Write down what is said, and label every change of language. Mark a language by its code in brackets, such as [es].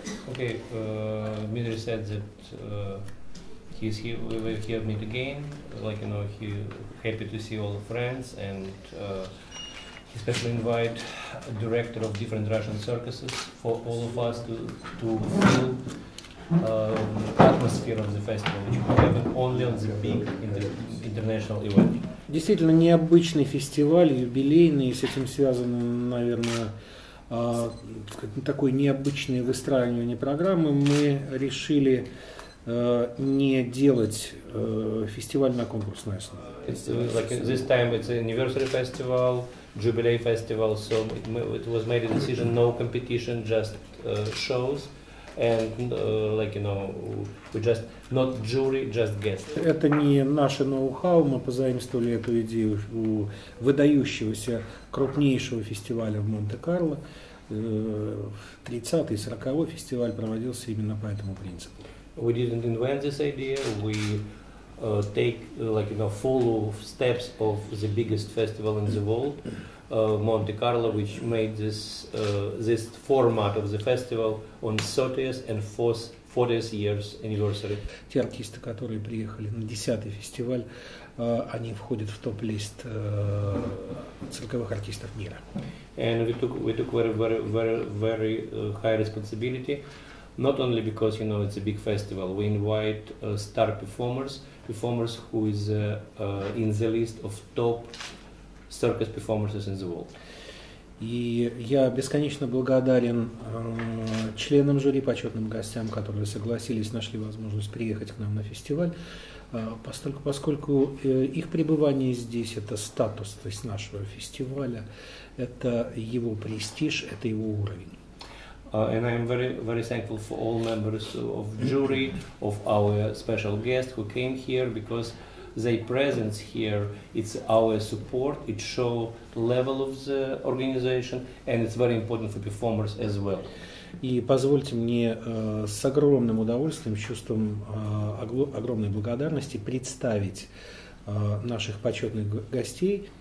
[en] Okay, Dmitry said that he's here, we're here to meet again, like, you know, he's happy to see all the friends, and he specially invite a director of different Russian circuses for all of us to feel atmosphere of the festival, which we have only on the big international event. [ru] Действительно необычный фестиваль, юбилейный, с этим связано, наверное, такое необычное выстраивание программы. Мы решили не делать фестиваль на конкурсной основе. [en] Like this time it's an anniversary festival, jubilee festival, so it was made a decision, no competition, just shows, and like, you know, we just not jury, just guests. [ru] Это не наше ноу-хау, мы позаимствовали эту идею у выдающегося крупнейшего фестиваля в Монте-Карло. 30-й и 40-й фестиваль проводился именно по этому принципу. [en] We didn't invent this idea. We take like, you know, follow steps of the biggest festival in the world, Monte Carlo, which made this this format of the festival on 30th and 40th years anniversary. [ru] Те артисты, которые приехали на 10-й фестиваль, они входят в топ-лист цирковых артистов мира. [en] And we took very high responsibility, not only because, you know, it's a big festival. We invite star performers who is in the list of top circus performers in the world. [ru] И я бесконечно благодарен членам жюри, почетным гостям, которые согласились, нашли возможность приехать к нам на фестиваль. Поскольку их пребывание здесь – это статус, то есть нашего фестиваля, это его престиж, это его уровень. [en] And I am very, very thankful for all members of jury, of our special guests who came here, because their presence here, it's our support, it show level of the organization, and it's very important for performers as well. [ru] И позвольте мне с огромным удовольствием, с чувством огромной благодарности представить наших почетных гостей.